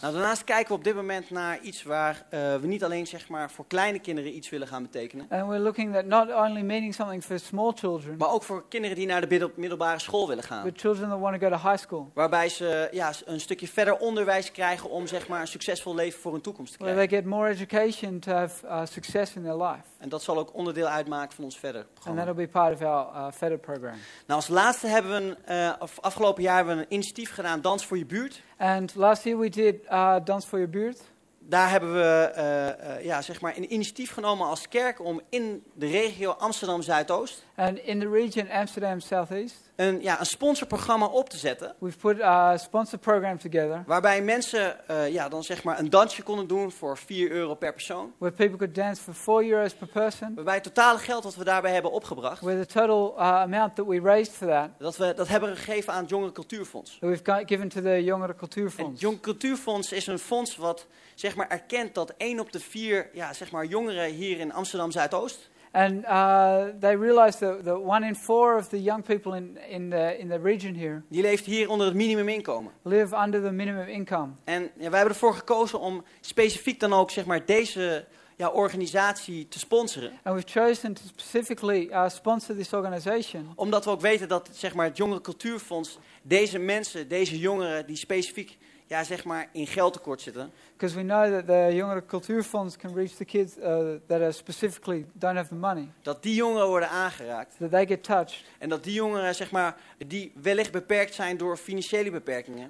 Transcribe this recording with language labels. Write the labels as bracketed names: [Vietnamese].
[Dutch] Nou, daarnaast kijken we op dit moment naar iets waar we niet alleen zeg maar voor kleine kinderen iets willen gaan betekenen. [English] And we're looking at not only meaning something for small children, [Dutch] maar ook voor kinderen die naar de middelbare school willen gaan. [English] But children that want to go to high school. [Dutch] Waarbij ze ja een stukje verder onderwijs krijgen om zeg maar een succesvol leven voor hun toekomst te krijgen. [English] Where they get more education to have success in their life. [Dutch] En dat zal ook onderdeel uitmaken van ons verder programma. [English] And that'll be part of our further program. [Dutch] Nou, als laatste hebben we afgelopen jaar hebben we een initiatief gedaan, Dans voor je buurt. [English] And last year we did Dans voor je buurt. [Dutch] Daar hebben we zeg maar een initiatief genomen als kerk om in de regio Amsterdam Zuidoost. [English] And in the region Amsterdam Southeast. [Dutch] Een ja een sponsorprogramma op te zetten. [English] We've put a sponsor program together. [Dutch] Waarbij mensen dan zeg maar een dansje konden doen voor €4 per persoon. [English] Where people could dance for €4 per person. [Dutch] Waarbij het totale geld wat we daarbij hebben opgebracht. [English] With the total amount that we raised for that. [Dutch] Dat we dat hebben gegeven aan het Jongeren Cultuurfonds. [English] That we've given to the Jongeren Cultuurfonds. [Dutch] Het Jongeren Cultuurfonds is een fonds wat zeg maar erkent dat 1 op de 4 ja zeg maar jongeren hier in Amsterdam Zuidoost. [English] And they realized that 1 in 4 of the young people in the region here. [Dutch] Die leeft hier onder het minimuminkomen. [English] Live under the minimum income. [Dutch] En ja, wij hebben ervoor gekozen om specifiek dan ook zeg maar deze ja organisatie te sponsoren. [English] And we've chosen to specifically sponsor this organization. [Dutch] Omdat we ook weten dat zeg maar het Jongeren Cultuurfonds deze mensen, deze jongeren die specifiek ja zeg maar in geldtekort zitten. [English] Because we know that the Jongeren Cultuurfonds can reach the kids that are specifically don't have the money. [Dutch] Dat die jongeren worden aangeraakt. [English] That they get touched. [Dutch] En dat die jongeren zeg maar die wellicht beperkt zijn door financiële beperkingen.